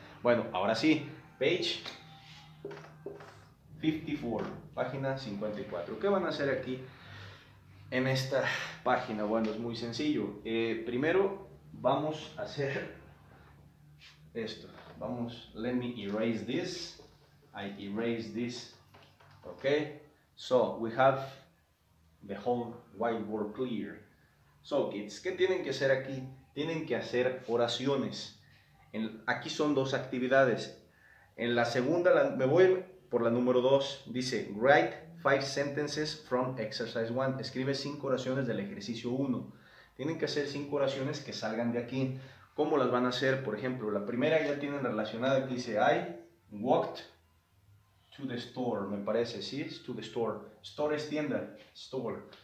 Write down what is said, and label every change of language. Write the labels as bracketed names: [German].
[Spanish] Bueno, ahora sí, [English] page 54, [Spanish] página 54, ¿qué van a hacer aquí? En esta página, bueno, es muy sencillo. Primero vamos a hacer esto. [English] Vamos, let me erase this. I erase this. Okay. So we have The Whole Wide World Clear. So, kids, [Spanish] ¿qué tienen que hacer aquí? Tienen que hacer oraciones. Aquí son dos actividades. En la segunda, me voy por la número dos. [English] Dice, write 5 sentences from exercise 1. [Spanish] Escribe 5 oraciones del ejercicio 1. Tienen que hacer 5 oraciones que salgan de aquí. ¿Cómo las van a hacer? Por ejemplo, la primera ya tienen relacionada. Aquí dice, [English] I walked to the store, [Spanish] me parece. ¿Sí? [English] It's to the store. [Spanish] Store es tienda. Store.